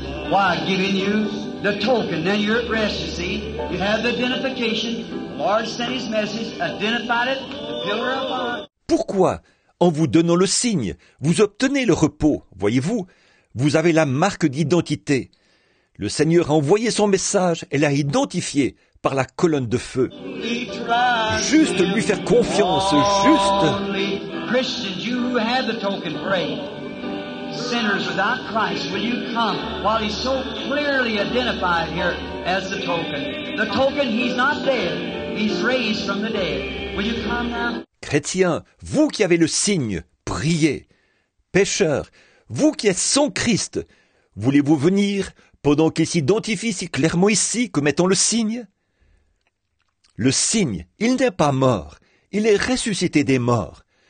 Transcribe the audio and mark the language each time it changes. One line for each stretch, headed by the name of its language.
English: Why, giving you the token, then you're at rest, you see. You have the identification. The Lord sent his message, identified it, the pillar of honor.
French: Pourquoi, en vous donnant le signe, vous obtenez le repos, voyez-vous? Vous avez la marque d'identité. Le Seigneur a envoyé son message et l'a identifié par la colonne de feu. Juste lui faire confiance, juste.
English: Christians, you who have the token, pray. Sinners without Christ, will you come while he's so clearly identified here as the token? The token, he's not dead, he's raised from the dead. Will you come now?
French: Chrétiens, vous qui avez le signe, priez. Pécheurs, vous qui êtes sans Christ, voulez-vous venir pendant qu'il s'identifie si clairement ici comme étant le signe? Le signe, il n'est pas mort, il est ressuscité des morts.